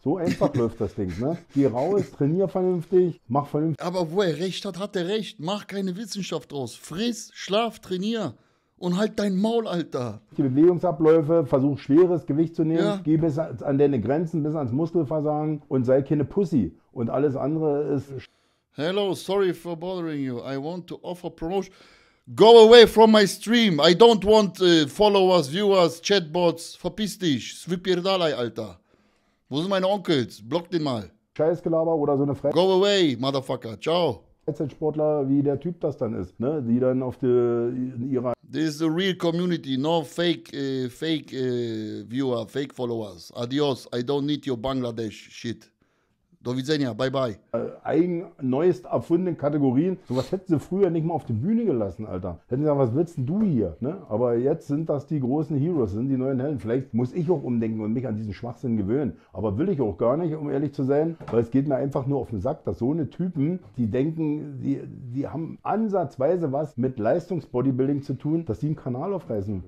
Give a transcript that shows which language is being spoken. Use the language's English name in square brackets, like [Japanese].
[German] So einfach läuft das Ding, ne? Geh raus, trainier vernünftig, mach vernünftig. Aber wo er recht hat, hat er recht. Mach keine Wissenschaft draus. Friss, schlaf, trainier. Und halt dein Maul, Alter. Die Bewegungsabläufe, versuch schweres Gewicht zu nehmen, ja. Geh bis an deine Grenzen, bis ans Muskelversagen und sei keine Pussy. Und alles andere ist... [English] Hello, sorry for bothering you. I want to offer promotion. Go away from my stream. I don't want followers, viewers, chatbots. [German] Verpiss dich. [English] Svipirdalai, Alter. [German] Wo sind meine Onkels? Block den mal. Scheißgelaber oder so eine Fresse. [English] Go away, Motherfucker. Ciao. [German] Freizeitsportler, wie der Typ das dann ist, ne? Die dann auf die, in ihrer... [English] This is a real community, no fake, fake viewer, fake followers. Adios, I don't need your Bangladesh shit. [Polish] Do widzenia, [English] bye bye. [German] Eigen, neuest erfundene Kategorien. Sowas hätten sie früher nicht mal auf die Bühne gelassen, Alter. Hätten sie gesagt, was willst denn du hier? Ne? Aber jetzt sind das die großen Heroes, sind die neuen Helden. Vielleicht muss ich auch umdenken und mich an diesen Schwachsinn gewöhnen. Aber will ich auch gar nicht, um ehrlich zu sein. Weil es geht mir einfach nur auf den Sack, dass so eine Typen, die denken, die haben ansatzweise was mit Leistungsbodybuilding zu tun, dass die einen Kanal aufreißen.